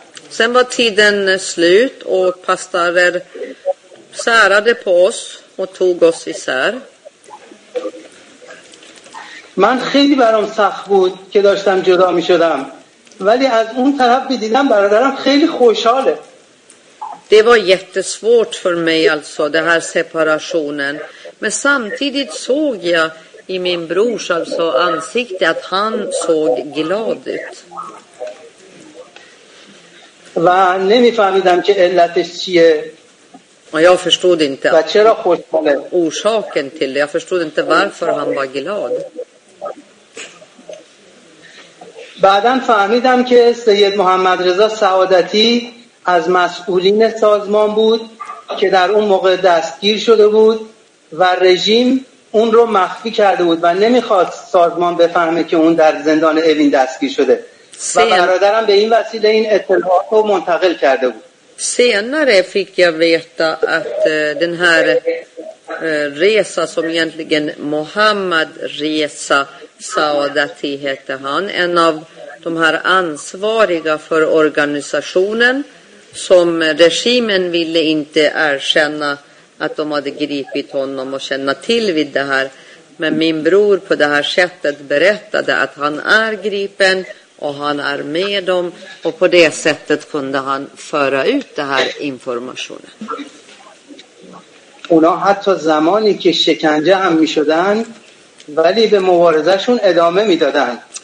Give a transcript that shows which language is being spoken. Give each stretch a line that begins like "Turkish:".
Swedish: Sen var tiden slut och pastorer särade på oss och tog oss isär.
Persian: من خیلی برام سخت بود که داشتم جدا می شدم ولی از اون طرف دیدم برادرم خیلی خوشحاله
Swedish: Det var jättesvårt för mig alltså det här separationen men samtidigt såg jag i min brors alltså ansikte att han såg glad ut
Persian: و نمی فهمیدم که علتش چیه
Swedish: Och jag förstod inte
Persian: و چرا خوشحاله
Swedish: orsaken till det jag förstod inte varför han var glad
Persian: بعدن فهمیدم که سید محمد رضا سعادتی از مسئولین سازمان بود که در اون موقع دستگیر شده بود و رژیم اون رو مخفی کرده بود و نمیخواد سازمان بفهمه که اون در زندان اوین دستگیر شده و برادرم به این وسیله این اطلاعات رو منتقل کرده بود
Swedish: Senare fick jag veta att den här resa som egentligen Mohammad resa Saadati hette han, en av de här ansvariga för organisationen som regimen ville inte erkänna att de hade gripit honom och känna till vid det här. Men min bror på det här sättet berättade att han är gripen och han är med dem, och på det sättet kunde han föra ut det här informationen.
Persian: اونا حتی زمانی که شکنجه هم می‌شدن ولی به مبارزه‌شون ادامه می‌دادن.